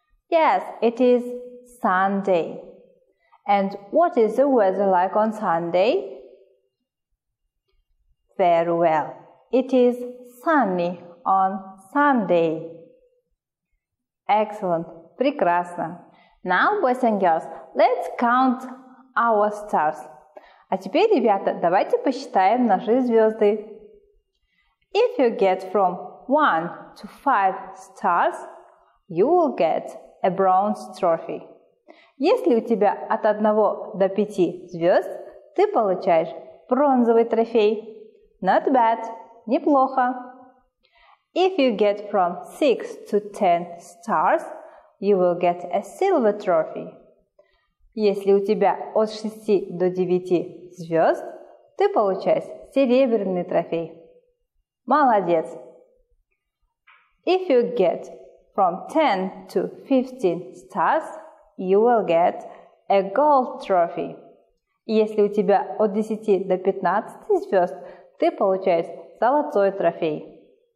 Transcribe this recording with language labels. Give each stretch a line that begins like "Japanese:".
English: Yes, it is Sunday. And what is the weather like on Sunday? Very well, it is sunny on Sunday. Excellent,
Russian: прекрасно.
English: Now, boys and girls, let's count our stars.
Russian: А теперь, ребята, давайте посчитаем наши звезды.
English: If you get from 1 to 5 stars, you will get a bronze trophy.
Russian: Если у тебя от 1 до 5 звезд, ты получаешь бронзовый трофей.
English: Not bad,
Russian: неплохо.
English: If you get from 6 to 10 stars, you will get a silver trophy.
Russian: Если у тебя от 6 до 9 звезд, ты получаешь серебряный трофей. Молодец!
English: If you get from 10 to 15 stars, you will get a gold trophy.
Russian: Если у тебя от 10 до 15 звезд, ты получаешь золотой трофей.